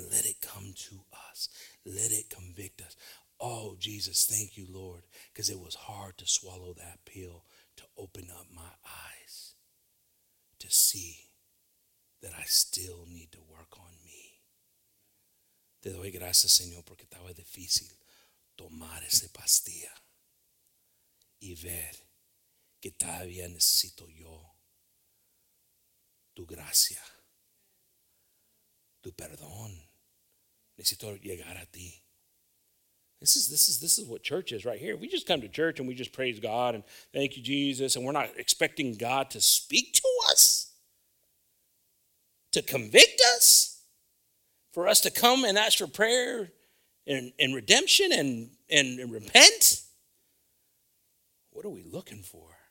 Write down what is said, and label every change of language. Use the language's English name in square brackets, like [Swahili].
[English] And let it come to us. Let it convict us. Oh, Jesus, thank you, Lord, because it was hard to swallow that pill to open up my eyes. To see that I still need to work on me. [Spanish] Te doy gracias, Señor, porque estaba difícil tomar ese pastilla y ver que todavía necesito yo tu gracia, tu perdón. Necesito llegar a ti. [English] This is what church is right here. We just come to church and we just praise God and thank you, Jesus, and we're not expecting God to speak to us. To convict us, for us to come and ask for prayer and redemption and repent? What are we looking for?